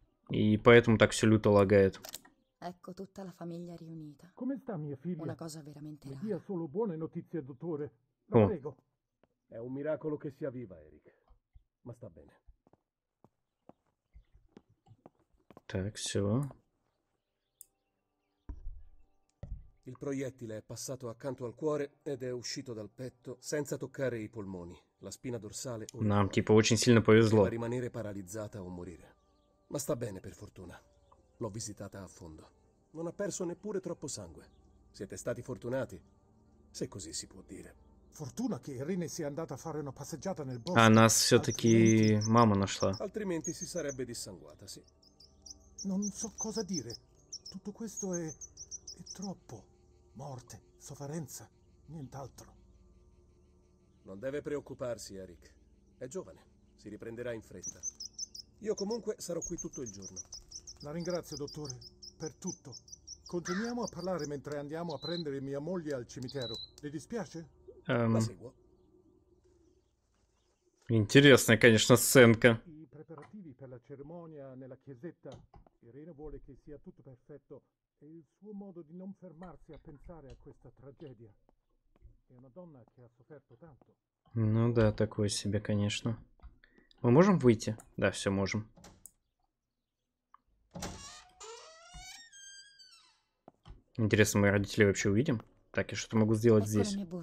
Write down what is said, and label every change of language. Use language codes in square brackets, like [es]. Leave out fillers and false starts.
[ru] И поэтому так все люто лагает. [it] Ecco tutta la famiglia riunita. Come sta mia figlia? Una cosa veramente rara. Dia solo buone notizie, dottore. Lo prego. È un miracolo che sia viva, Eric. Ma sta bene. [ru] Так, все. [it] Il proiettile è passato accanto al cuore ed è uscito dal petto senza toccare i polmoni, la spina dorsale o... [ru] Нам типа очень сильно повезло. [it] Può rimanere paralizzata o morire. Ma sta bene per fortuna. L'ho visitata a fondo. Non ha perso neppure troppo sangue. Siete stati fortunati, se così si può dire. Fortuna che Rine sia andata a fare una passeggiata nel bosco. [ru] А нас все-таки мама нашла. [it] Altrimenti si sarebbe dissanguata, sì. Non so cosa dire. Tutto questo è troppo. Morte, sofferenza, nient'altro. Non deve preoccuparsi, Eric. È giovane. Si riprenderà in fretta. Io comunque sarò qui tutto il giorno. La ringrazio, dottore, per tutto. Continuiamo a parlare mentre andiamo a prendere mia moglie al cimitero. Le dispiace? La seguo. Interessante, [ru] конечно, сценка. [it] I preparativi per la cerimonia nella chiesetta. Irene vuole che sia tutto perfetto. È il suo modo di non fermarsi a pensare a questa tragedia. È una donna che ha sofferto tanto. [ru] Ну да, такое себе, конечно. Мы можем выйти? Да, все можем. Интересно, мои родители вообще увидим? Так, я что-то могу сделать здесь?